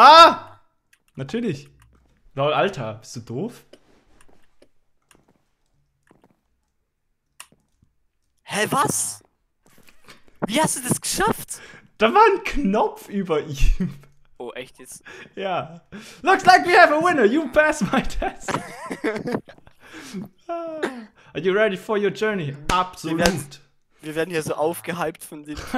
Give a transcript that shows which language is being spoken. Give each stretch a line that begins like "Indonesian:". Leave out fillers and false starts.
German: Ah! Natürlich. Lol, Alter, bist du doof? Hä, was? Wie hast du das geschafft? Da war ein Knopf über ihm. Oh, echt jetzt? Ja.
English: Looks like we have a winner. You pass my test. Are you ready for your journey?
German: Absolut. Wir werden hier so aufgehypt von dem.